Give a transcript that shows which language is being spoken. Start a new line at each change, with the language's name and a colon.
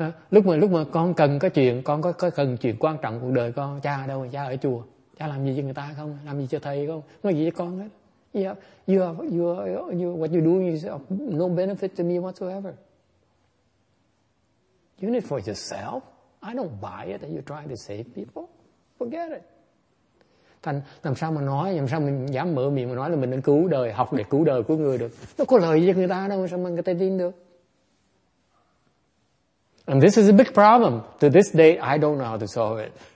Vietnamese: Lúc mà con cần cái chuyện, con có cần chuyện quan trọng cuộc đời con, cha ở đâu? Cha ở chùa, cha làm gì cho người ta không, làm gì cho thầy không, nói gì cho con hết.
English: You what you doing is of no benefit to me whatsoever. You need for yourself. I don't buy it that you're trying to save people. Forget it.
Vietnamese: Thành làm sao mà nói, làm sao mình dám mở miệng mà nói là mình nên cứu đời, học để cứu đời của người được. Nó có lời gì cho người ta đâu, sao mà người ta tin được.
English: And this is a big problem. To this day, I don't know how to solve it.